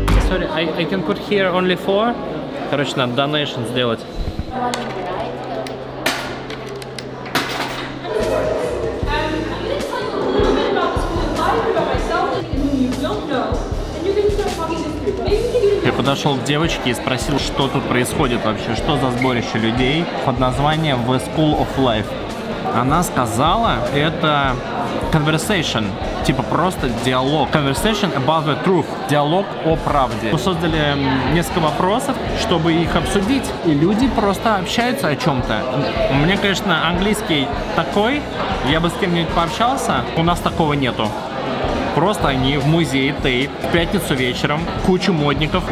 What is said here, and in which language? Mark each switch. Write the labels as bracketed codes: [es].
[en] Sorry, I can put here only four. [ru] Короче, надо донейшн сделать. Подошел к девочке и спросил, что тут происходит вообще, что за сборище людей под названием The School of Life. Она сказала, это conversation, типа просто диалог. [en] Conversation about the truth, [ru] диалог о правде. Мы создали несколько вопросов, чтобы их обсудить, и люди просто общаются о чем-то. Мне, конечно, английский такой, я бы с кем-нибудь пообщался, у нас такого нету. Просто они в музее Тейт в пятницу вечером, куча модников.